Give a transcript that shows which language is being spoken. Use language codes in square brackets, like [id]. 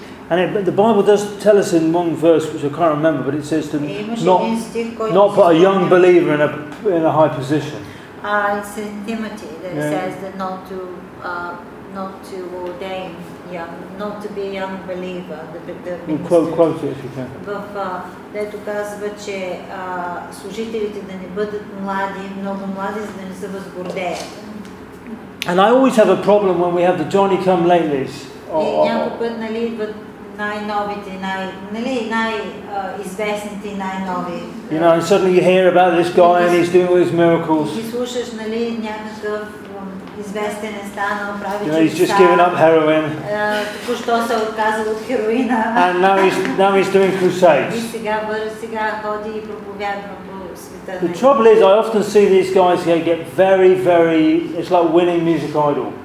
[en] And the Bible does tell us in one verse, which I can't remember, but it says to not put a young believer in a high position. It's in Timothy that says that not to ordain. Yeah, not to be a young believer. Quote it if you can. [bg] Дето казва, че служителите да не бъдат млади, много млади, за да не се възгордеят. [en] And I always have a problem when we have the Johnny come latelys. [bg] Някой път, нали, идват най-новите, най-известните, най-нови. [en] You know, and suddenly you hear about this guy and he's doing all these miracles. [bg] И слушаш, нали, някакъв известен е станал, прави чудеса. [en] You know, he's just given up heroin. [bg] Току-що се отказал от хероина. [en] And now he's doing crusades. [bg] И сега ходи и проповядва по света. [en] The trouble is, I often see these guys get very, very, it's like winning Music Idol.